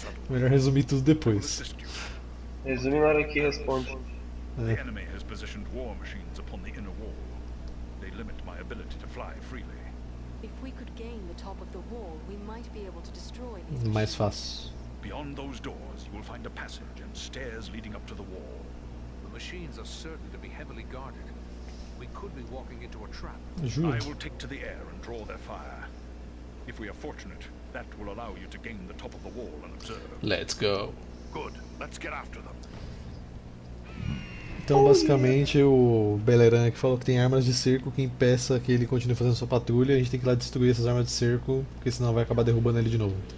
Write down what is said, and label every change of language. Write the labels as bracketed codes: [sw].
[pt] Melhor resumir tudo depois. Resume na hora que responde. O inimigo tem posicionado as máquinas de guerra na parede interna. Eles limitam minha habilidade de voar livremente. Se pudéssemos ganhar o topo da parede, poderíamos ser capazes de destruir essas máquinas. Mais fácil. [en] Beyond those doors, you will find a passage and stairs leading up to the wall. [pt] As máquinas são certas de ser [en] heavily guarded. We could be walking into a trap. I will take to the air and draw their fire. If we are fortunate, that will allow you to gain the top of the wall and observe. Let's go. Good. Let's get after them. [pt] Então, basicamente, o Beleriand que falou que tem armas de cerco que impeça que ele continue fazendo sua patrulha. A gente tem que ir lá destruir essas armas de cerco, porque senão vai acabar derrubando ele de novo.